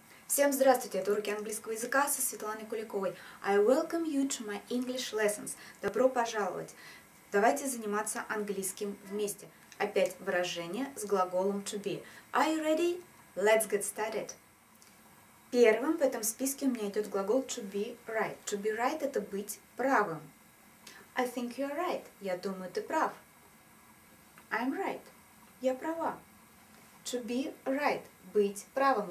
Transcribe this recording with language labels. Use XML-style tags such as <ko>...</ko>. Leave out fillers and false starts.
<ru>Всем здравствуйте, это уроки английского языка со Светланой Куликовой.</ru> <en>I welcome you to my English lessons.</en> <ru>Добро пожаловать. Давайте заниматься английским вместе. Опять выражение с глаголом to be.</ru> <en>Are you ready? Let's get started.</en> <ru>Первым в этом списке у меня идет глагол to be right. To be right — это быть правым.</ru> <en>I think you're right.</en> <ru>Я думаю, ты прав.</ru> <en>I'm right.</en> <ru>Я права.</ru> <en>To be right.</en> <ru>Быть правым.</ru>